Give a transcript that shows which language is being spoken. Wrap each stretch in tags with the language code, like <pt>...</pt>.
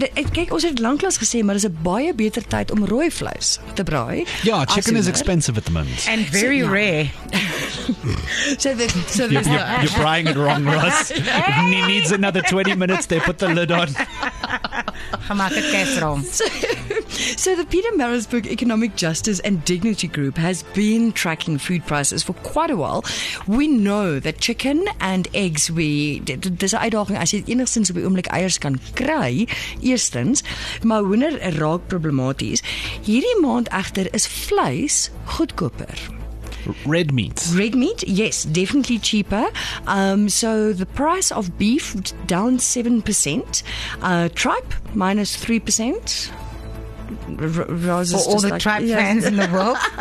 <af>Kyk, ons het lanklaas gesê, maar dit is 'n baie beter tyd om rooi vleis te braai.</af> <en>Ja, chicken is expensive at the moment. And very rare. You're braaiing it wrong, Ross. He needs another 20 minutes, they put the lid on. Gemaak het kesroom. So the Peter Maritzburg Economic Justice and Dignity Group has been tracking food prices for quite a while. We know that chicken and eggs,</en> <af>dis 'n uitdaging as jy enigstens op die oomblik eiers kan kry, eerstens, maar hoender raak problematies. Hierdie maand egter is vleis goedkoper.</af> <en>Red meat. Red meat, yes, definitely cheaper. So the price of beef down 7%. Tripe minus 3%. For all the tripe fans in the world.</en>